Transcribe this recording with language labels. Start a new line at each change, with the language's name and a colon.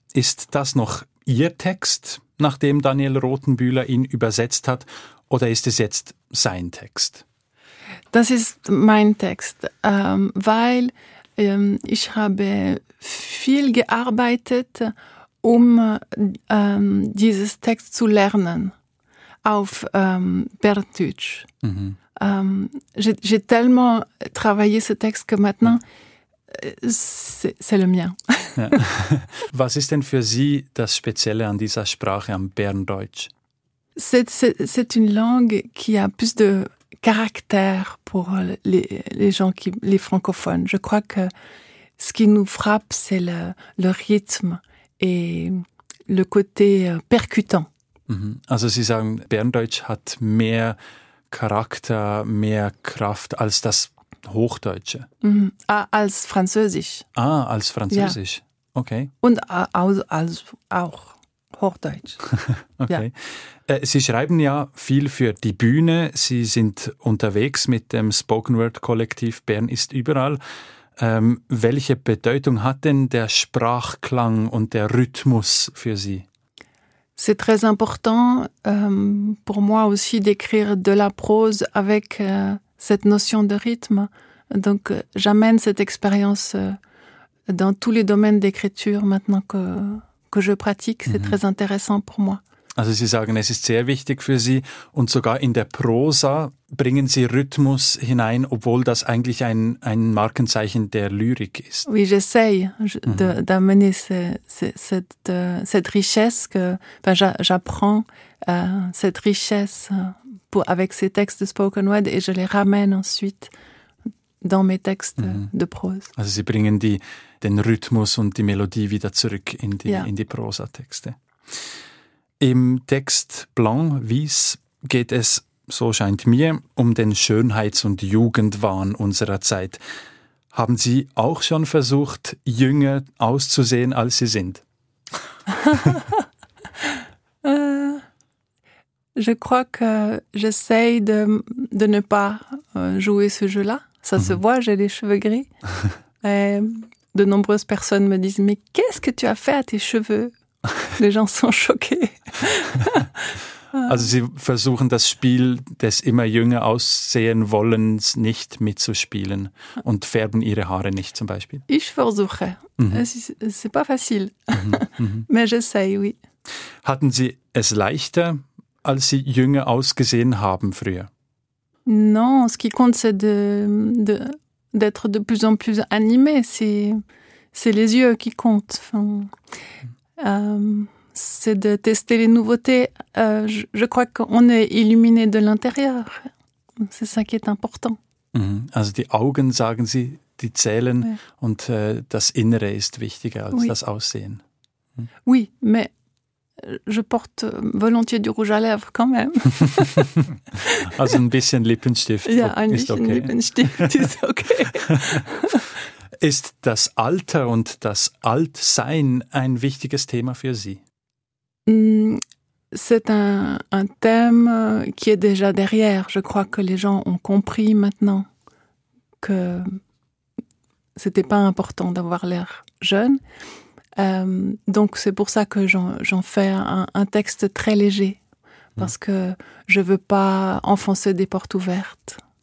German: Ist das noch Ihr Text, nachdem Daniel Rothenbühler ihn übersetzt hat, oder ist es jetzt sein Text? Das ist mein Text, weil ich habe viel gearbeitet, um dieses Text zu lernen auf Berndeutsch. Mhm.
French: J'ai tellement travaillé ce texte que maintenant, c'est le mien.
German: Was ist denn für Sie das Spezielle an dieser Sprache, am Berndeutsch?
French: C'est une langue qui a plus de caractère pour les gens qui les francophones. Je crois que ce qui nous frappe, c'est le rythme et le côté percutant.
German: Also Sie sagen, Berndeutsch hat mehr Charakter, mehr Kraft als das Hochdeutsche. Als Französisch. Ah, als Französisch. Ja. Okay. Und als auch Hochdeutsch. Okay. Ja. Sie schreiben ja viel für die Bühne. Sie sind unterwegs mit dem Spoken Word Kollektiv Bern ist überall. Welche Bedeutung hat denn der Sprachklang und der Rhythmus für Sie?
French: C'est très important pour moi aussi d'écrire de la prose avec cette notion de rythme. Donc j'amène cette expérience dans tous les domaines d'écriture maintenant que je pratique. C'est très intéressant pour moi.
German: Also Sie sagen, es ist sehr wichtig für Sie und sogar in der Prosa bringen Sie Rhythmus hinein, obwohl das eigentlich ein Markenzeichen der Lyrik ist.
French: Oui, j'essaye d'amener cette richesse que j'apprends cette richesse avec ces textes de spoken word et je les ramène ensuite dans mes textes de prose.
German: Also Sie bringen den Rhythmus und die Melodie wieder zurück in die in die Prosatexte. Im Text Blanc, Wies geht es, so scheint mir, um den Schönheits- und Jugendwahn unserer Zeit. Haben Sie auch schon versucht, jünger auszusehen, als Sie sind?
French: je crois que j'essaie de ne pas jouer ce jeu-là. Ça se voit, j'ai les cheveux gris. De nombreuses personnes me disent « Mais qu'est-ce que tu as fait à tes cheveux ?» Les gens sont choqués.
German: Also sie versuchen das Spiel des immer jünger aussehen Wollens nicht mitzuspielen und färben ihre Haare nicht zum Beispiel. Ich versuche.
French: C'est pas facile. Mais j'essaie, oui.
German: Hatten Sie es leichter, als Sie jünger ausgesehen haben früher?
French: Non, ce qui compte, c'est d'être de plus en plus animé. C'est les yeux qui comptent. Enfin, c'est de tester les nouveautés. Je crois qu'on est illuminé de l'intérieur. C'est ça qui est important.
German: Also die Augen, sagen Sie, die zählen. Oui. Und das Innere ist wichtiger als oui. das Aussehen.
French: Oui, mais je porte volontiers du rouge à lèvres quand même.
German: Also ein bisschen Lippenstift. Ja, ein bisschen okay. Lippenstift ist okay. Ist das Alter und das Altsein ein wichtiges Thema für Sie?
French: C'est un thème qui est déjà derrière. Je crois que les gens ont compris maintenant que c'était pas important d'avoir l'air jeune. Donc c'est pour ça que j'en fais un texte très léger, parce que je veux pas enfoncer des portes ouvertes.